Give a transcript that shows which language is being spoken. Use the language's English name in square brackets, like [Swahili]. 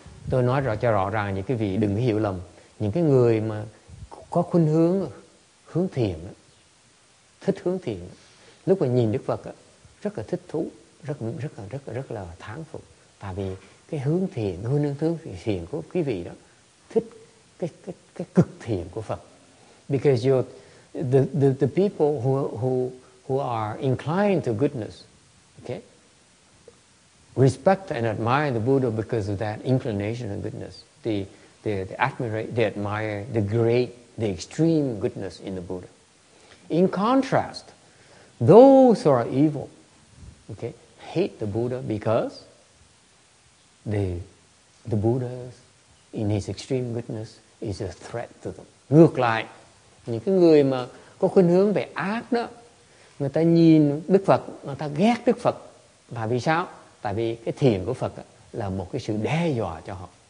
[Vietnamese] Tôi nói rõ cho rõ ràng, những cái vị đừng hiểu lầm, những cái người mà có khuynh hướng hướng thiện, thích hướng thiện, lúc mà nhìn Đức Phật rất là thích thú, rất là thán phục, tại vì cái hướng thiện, hướng thiện của quý vị đó, thích cái cực thiện của Phật. [English] Because the people who are inclined to goodness, okay, respect and admire the Buddha because of that inclination of goodness. They admire, they admire the great, the extreme goodness in the Buddha. In contrast, those who are evil, okay, hate the Buddha because the Buddha, in his extreme goodness, is a threat to them. [Vietnamese] Ngược lại, những cái người mà có khuynh hướng về ác đó, người ta nhìn Đức Phật, người ta ghét Đức Phật. Và vì sao? Tại vì cái thiền của Phật là một cái sự đe dọa cho họ.